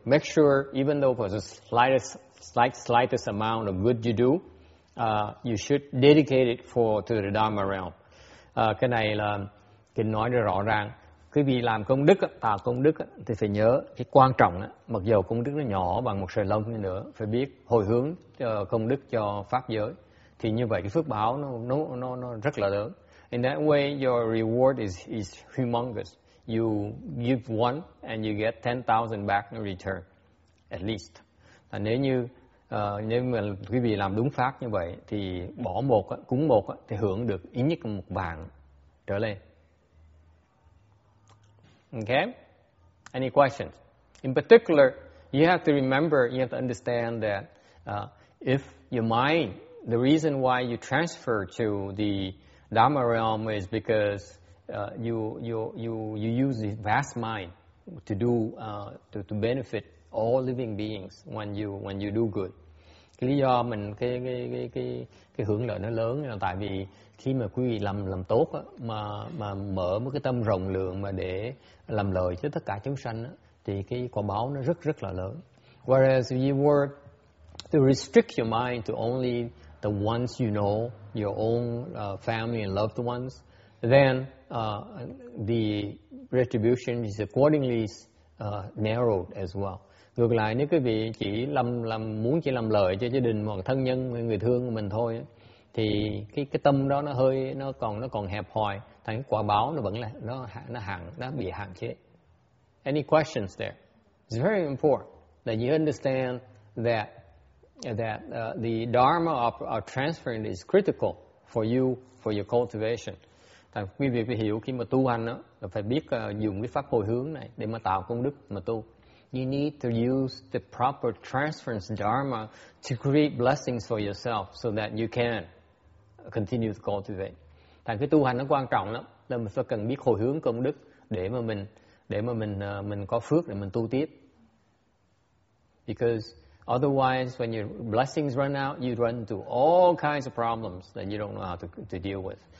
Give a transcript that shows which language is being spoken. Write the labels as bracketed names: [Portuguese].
[English] Make sure, even though for the slightest amount of good you do, you should dedicate it to the Dharma realm. [Vietnamese] Cái này là kinh nói rất rõ ràng. Quý vị làm công đức, tạo công đức thì phải nhớ cái quan trọng, mặc dù công đức nó nhỏ bằng một sợi lông như nữa, phải biết hồi hướng công đức cho Pháp giới. Thì như vậy cái phước báo nó rất là lớn. [English] In that way, your reward is humongous. You give one and you get 10,000 back in return, at least. [Vietnamese] Và nếu như nếu mà quý vị làm đúng pháp như vậy, thì bỏ một, cúng một thì hưởng được ít nhất một vàng trở lên. [English] Okay, any questions? In particular, you have to remember, you have to understand that if your mind, the reason why you transfer to the Dharma realm is because you use this vast mind to do to benefit all living beings when you do good. [Vietnamese] Cái lý do mình cái hưởng lợi nó lớn là tại vì khi mà quý vị làm tốt á, mà mở một cái tâm rộng lượng mà để làm lợi cho tất cả chúng sanh á, thì cái quả báo nó rất rất là lớn. [English] Whereas if you were to restrict your mind to only the ones you know, your own family and loved ones, then the retribution is accordingly narrowed as well. [Vietnamese] Ngược lại, nếu quý vị chỉ muốn lợi cho gia đình hoặc thân nhân người thương của mình thôi, thì cái tâm đó nó còn hẹp hòi, thành quả báo nó bị hạn chế. [English] Any questions there? It's very important that you understand that the dharma of transferring is critical for your cultivation. [Vietnamese] Thành quý vị phải hiểu khi mà tu hành đó, phải biết dùng cái pháp hồi hướng này để mà tạo công đức mà tu. [English] You need to use the proper transference dharma to create blessings for yourself so that you can continue to cultivate. [Vietnamese] Thành cái tu hành nó quan trọng lắm, là mình phải cần biết hồi hướng công đức để mà mình có phước để mình tu tiếp. [English] Because otherwise, when your blessings run out, you run into all kinds of problems that you don't know how to deal with.